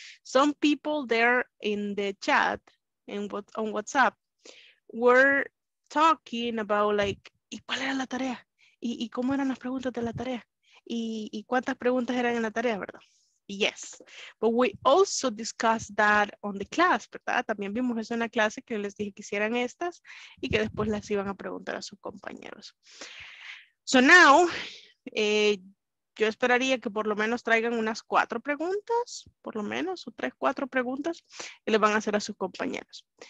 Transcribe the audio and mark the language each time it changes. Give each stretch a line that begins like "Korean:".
English: Some people there in the chat, on WhatsApp, were talking about like,
Spanish: ¿y cuál era la tarea? ¿Y cómo eran las preguntas de la tarea? ¿Y cuántas preguntas eran en la tarea, verdad?
English: Yes, but we also discussed that on the class,
Spanish: ¿verdad? También vimos eso en la clase que les dije que hicieran estas y que después las iban a preguntar a sus compañeros.
English: So now,
Spanish: yo esperaría que por lo menos traigan unas 4 preguntas, por lo menos, o 3, 4 preguntas que les van a hacer a sus compañeros.